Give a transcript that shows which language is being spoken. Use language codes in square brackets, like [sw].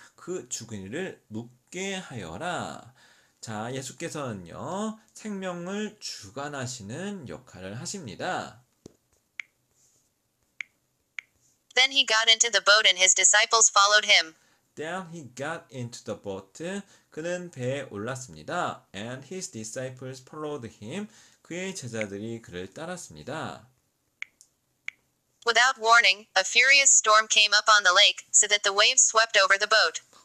[ko] 그 죽은이를 묻게 하여라. 자, 예수께서는요. 생명을 주관하시는 역할을 하십니다. [en] Then he got into the boat and his disciples followed him. Then he got into the boat. [ko] 그는 배에 올랐습니다. [en] And his disciples followed him. [ko] 그의 제자들이 그를 따랐습니다. [en] Without warning, a furious storm came up on the lake, so that the waves swept over the boat.